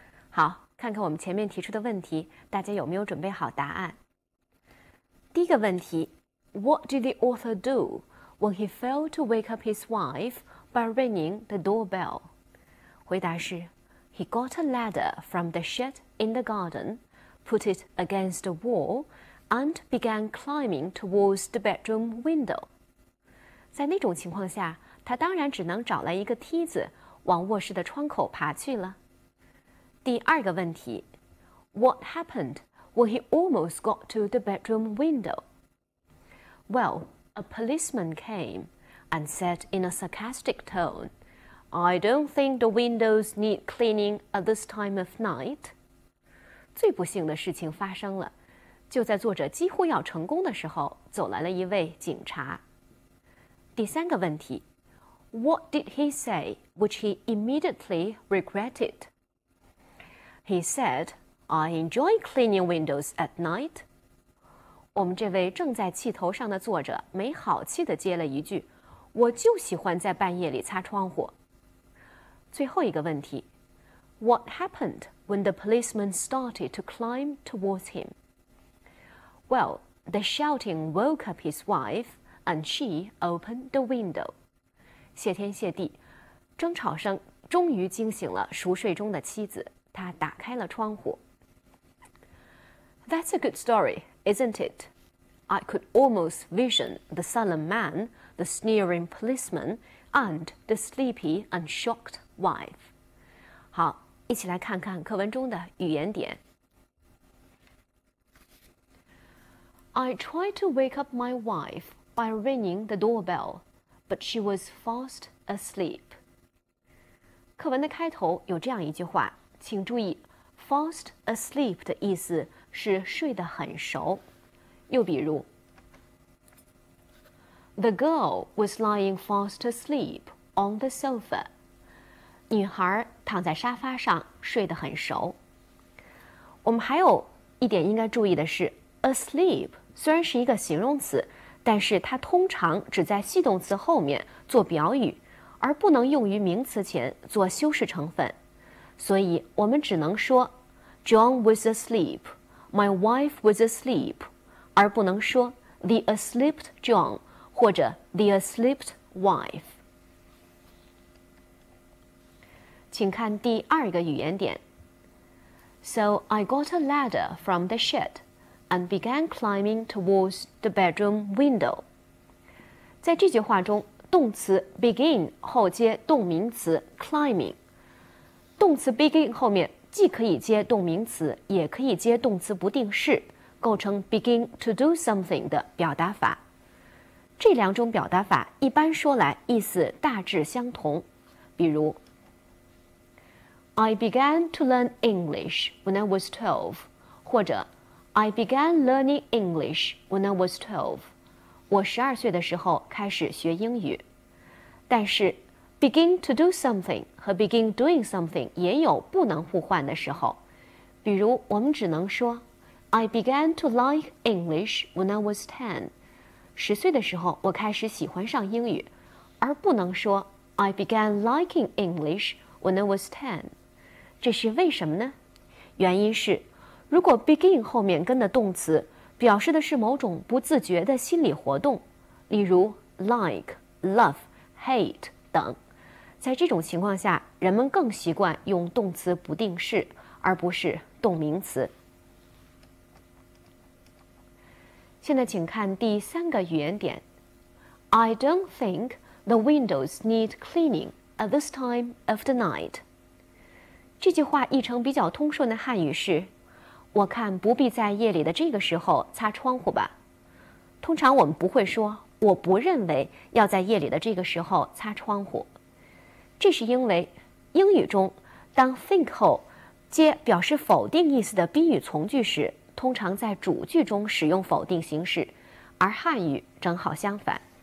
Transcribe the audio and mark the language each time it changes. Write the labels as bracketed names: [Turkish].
[Chinese] 好，看看我们前面提出的问题，大家有没有准备好答案？第一个问题 [English] What did the author do when he failed to wake up his wife by ringing the doorbell? [Chinese] 回答是 [English] He got a ladder from the shed in the garden, put it against the wall, and began climbing towards the bedroom window. [Chinese] 在那种情况下，他当然只能找来一个梯子往卧室的窗口爬去了。第二个问题 [English] What happened? When he almost got to the bedroom window. Well, a policeman came and said in a sarcastic tone, I don't think the windows need cleaning at this time of night. [Chinese] 最不幸的事情发生了，就在作者几乎要成功的时候，走来了一位警察。第三个问题 [English] What did he say, which he immediately regretted? He said,I enjoy cleaning windows at night. [Chinese] 我们这位正在气头上的作者没好气地接了一句，我就喜欢在半夜里擦窗户。最后一个问题 [English] ,What happened when the policeman started to climb towards him? Well, the shouting woke up his wife and she opened the window. [Chinese] 谢天谢地，争吵声终于惊醒了熟睡中的妻子，她打开了窗户。 [English] That's a good story, isn't it? I could almost vision the sullen man, the sneering policeman, and the sleepy and shocked wife. [Chinese] 好，一起来看看课文中的语言点。 [English] I tried to wake up my wife by ringing the doorbell, but she was fast asleep. [Chinese] 课文的开头有这样一句话，请注意 fast asleep 的意思是睡得很熟。又比如 [English] The girl was lying fast asleep on the sofa. [Chinese] 女孩躺在沙发上睡得很熟。我们还有一点应该注意的是 asleep 虽然是一个形容词，但是它通常只在系动词后面做表语，而不能用于名词前做修饰成分。所以我们只能说 [English] John was asleep, my wife was asleep, [Chinese] 而不能说 [English] the asleep John [Chinese] 或者 [English] the asleep wife。 [Chinese] 请看第二个语言点。 [English] So I got a ladder from the shed and began climbing towards the bedroom window。 [Chinese] 在这句话中，动词 begin 后接动名词 climbing。动词 begin 后面既可以接动名词，也可以接动词不定式，构成 [English] begin to do something [Chinese] 的表达法。这两种表达法一般说来意思大致相同，比如 [English] I began to learn English when I was 12, [Chinese] 或者 [English] I began learning English when I was 12, [Chinese] 我十二岁的时候开始学英语。但是 [English] begin to do something [Chinese] 和 [English] begin doing something [Chinese] 也有不能互换的时候，比如我们只能说 [English] I began to like English when I was 10. [Chinese] 十岁的时候我开始喜欢上英语，而不能说 [English] I began liking English when I was 10. [Chinese] 这是为什么呢？原因是，如果 begin 后面跟的动词表示的是某种不自觉的心理活动，例如 like, love, hate 等，在这种情况下，人们更习惯用动词不定式，而不是动名词。现在请看第三个语言点。 [English] I don't think the windows need cleaning at this time of the night. [Chinese] 这句话译成比较通顺的汉语是，我看不必在夜里的这个时候擦窗户吧。通常我们不会说，我不认为要在夜里的这个时候擦窗户。这是因为英语中当 think 后接表示否定意思的宾语从句时，通常在主句中使用否定形式，而汉语正好相反。